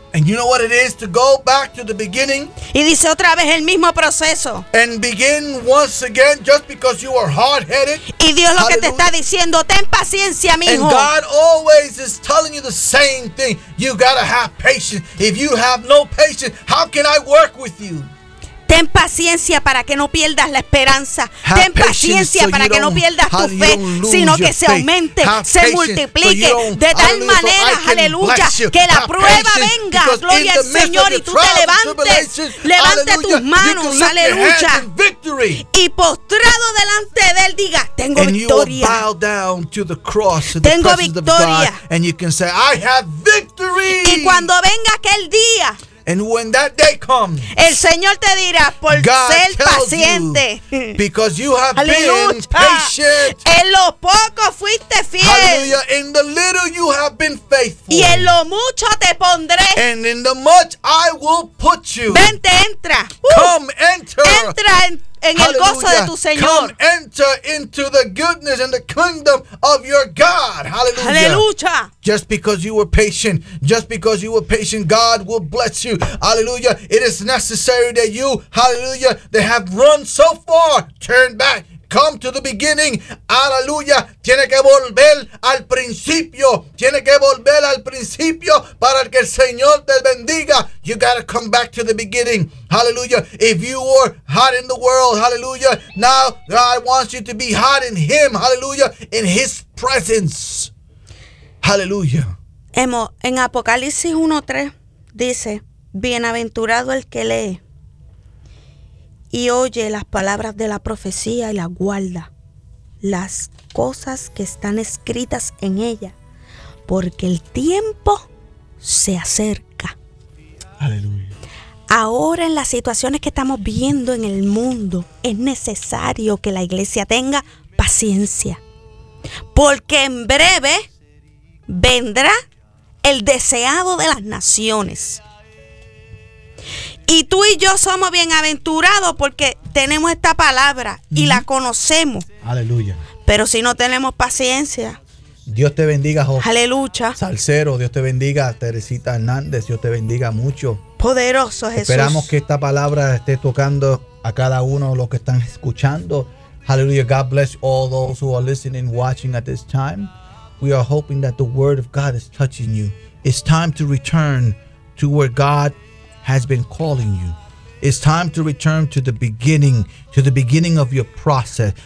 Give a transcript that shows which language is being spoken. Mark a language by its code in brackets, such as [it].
[en] And you know what it is to go back to the beginning. [es] Y dice otra vez el mismo proceso. [en] And begin once again just because you are hard-headed. [es] Y Dios lo que te está diciendo, ten paciencia, mijo. [en] And God always is telling you the same thing. You gotta have patience. If you have no patience, how can I work with you? [es] Ten paciencia para que no pierdas la esperanza. Ten paciencia para que no pierdas tu fe, sino que se aumente, se multiplique. De tal manera, aleluya, que la prueba venga, gloria al Señor, y tú te levantes, levante tus manos, aleluya. Y postrado delante de Él, diga, tengo victoria. [en] And you will bow down to the cross in the presence of God. And you can say, I have victory. [es] Y cuando venga aquel día, [en] and when that day comes, [es] el Señor te dirá, por [en] God [es] ser paciente, [en] you, because you have been patient, [es] en lo poco fuiste fiel, [en] hallelujah, in the little you have been faithful, [es] y en lo mucho te pondré, [en] and in the much I will put you, [es] vente, entra, [en] come, enter, [es] entra en el gozo de tu Señor, [en] come, enter into the goodness and the kingdom of your God, hallelujah, [es] aleluya. [en] Just because you were patient, just because you were patient, God will bless you. Hallelujah. It is necessary that you, hallelujah, they have run so far, turn back. Come to the beginning. Hallelujah. [es] Tiene que volver al principio. Tiene que volver al principio para que el Señor te bendiga. [en] You got to come back to the beginning. Hallelujah. If you were hot in the world, hallelujah, now God wants you to be hot in Him. Hallelujah. In His presence. Hallelujah. [es] En Apocalipsis 1:3 dice, bienaventurado el que lee y oye las palabras de la profecía y las guarda, las cosas que están escritas en ella, porque el tiempo se acerca. Hallelujah. Ahora en las situaciones que estamos viendo en el mundo, es necesario que la iglesia tenga paciencia, porque en breve vendrá el deseado de las naciones. Y tú y yo somos bienaventurados porque tenemos esta palabra y la conocemos. Aleluya. Pero si no tenemos paciencia. Dios te bendiga, José. Aleluya. Salcero, Dios te bendiga, Teresita Hernández. Dios te bendiga mucho. Poderoso Jesús. Esperamos que esta palabra esté tocando a cada uno de los que están escuchando. Aleluya. [en] God bless all those who are listening, watching at this time. We are hoping that the word of God is touching you. It's time to return to where God has been calling you. It's time to return to the beginning of your process.